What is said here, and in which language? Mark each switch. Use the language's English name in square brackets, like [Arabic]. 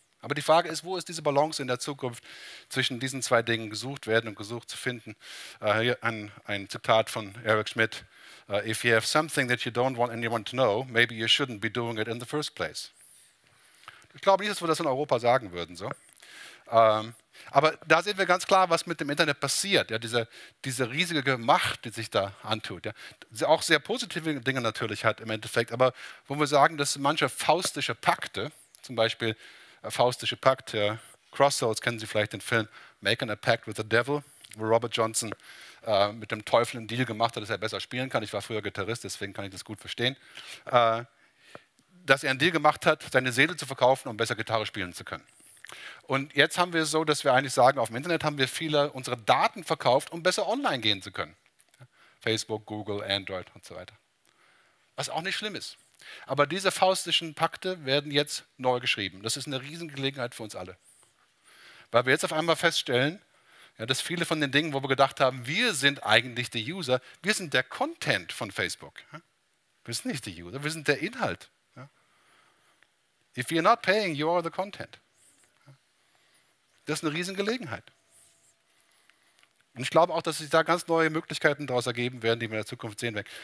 [German] Aber die Frage ist, wo ist diese Balance in der Zukunft zwischen diesen zwei Dingen, gesucht werden und gesucht zu finden? Hier ein Zitat von Eric Schmidt. [English] If you have something that you don't want anyone to know, maybe you shouldn't be doing it in the first place. [German] Ich glaube nicht, dass wir das in Europa sagen würden. So. Aber da sehen wir ganz klar, was mit dem Internet passiert. Ja, diese riesige Macht, die sich da antut. Ja. Auch sehr positive Dinge natürlich hat im Endeffekt. Aber wo wir sagen, dass manche faustische Pakte, zum Beispiel faustische Pakte, Crossroads, kennen Sie vielleicht den Film Making a Pact with the Devil, wo Robert Johnson mit dem Teufel einen Deal gemacht hat, dass er besser spielen kann. Ich war früher Gitarrist, deswegen kann ich das gut verstehen. Dass er einen Deal gemacht hat, seine Seele zu verkaufen, um besser Gitarre spielen zu können. Und jetzt haben wir es so, dass wir eigentlich sagen, auf dem Internet haben wir viele unsere Daten verkauft, um besser online gehen zu können. Facebook, Google, Android und so weiter. Was auch nicht schlimm ist. Aber diese faustischen Pakte werden jetzt neu geschrieben. Das ist eine Riesengelegenheit für uns alle. Weil wir jetzt auf einmal feststellen, ja, dass viele von den Dingen, wo wir gedacht haben, wir sind eigentlich die User, wir sind der Content von Facebook. Wir sind nicht die User, wir sind der Inhalt. [English] If you're not paying, you are the content. [German] Das ist eine Riesengelegenheit. Und ich glaube auch, dass sich da ganz neue Möglichkeiten daraus ergeben werden, die wir in der Zukunft sehen werden.